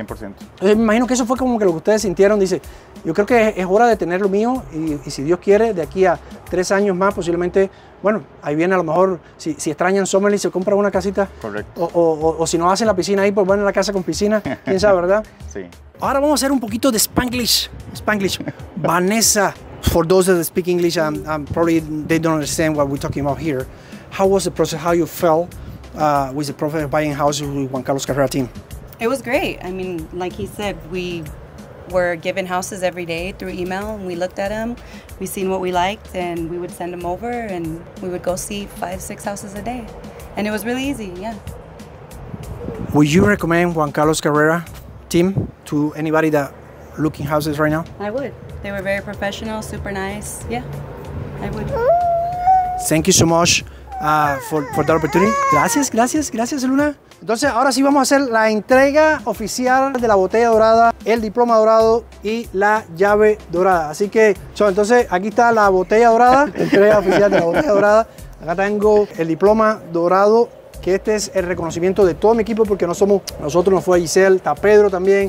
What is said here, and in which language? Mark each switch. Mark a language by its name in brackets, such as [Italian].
[Spanish] Entonces me imagino que eso fue como que lo que ustedes sintieron. Dice, yo creo que es hora de tener lo mío y si Dios quiere, de aquí a 3 años más posiblemente. Bueno, ahí viene a lo mejor, si extrañan Summerlin, se compra una casita. Correcto. O si no hacen la piscina ahí, pues van a la casa con piscina. ¿Quién sabe, verdad? Sí. Ahora vamos a hacer un poquito de Spanglish. Spanglish. [English] Vanessa, for those that speak English, probably they don't understand what we're talking about here. How was the process? How you felt with the process of buying houses with Juan Carlos Carrera team? It was great. I mean, like he said, we were given houses every day through email, and we looked at them, we seen what we liked, and we would send them over, and we would go see 5-6 houses a day. And it was really easy, yeah. Would you recommend Juan Carlos Carrera team to anybody that looking houses right now? I would. They were very professional, super nice. Yeah, I would. Thank you so much for the opportunity. [Spanish] Gracias, gracias, gracias, Luna. Entonces, ahora sí vamos a hacer la entrega oficial de la botella dorada, el diploma dorado y la llave dorada. Así que, entonces, aquí está la botella dorada, entrega oficial de la botella dorada. Acá tengo el diploma dorado, que este es el reconocimiento de todo mi equipo, porque no somos nosotros, no fue Giselle, está Pedro también.